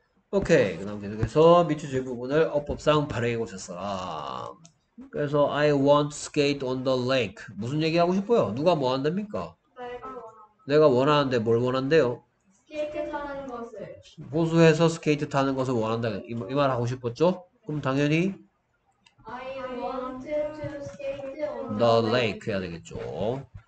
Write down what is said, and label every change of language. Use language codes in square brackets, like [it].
[ko] 오케이. 그 다음 계속해서 밑줄 줄 부분을 어법상 발음해 보셨어. 그래서 [en] I want to skate on the lake. [ko] 무슨 얘기 하고 싶어요? 누가 뭐 한답니까? 내가 원하는데 뭘 원한대요? 스케이트 타는 것을. 호수에서 스케이트 타는 것을 원한다. 이말 하고 싶었죠? 그럼 당연히 [en] I want to skate on the the lake. [ko] lake 해야 되겠죠.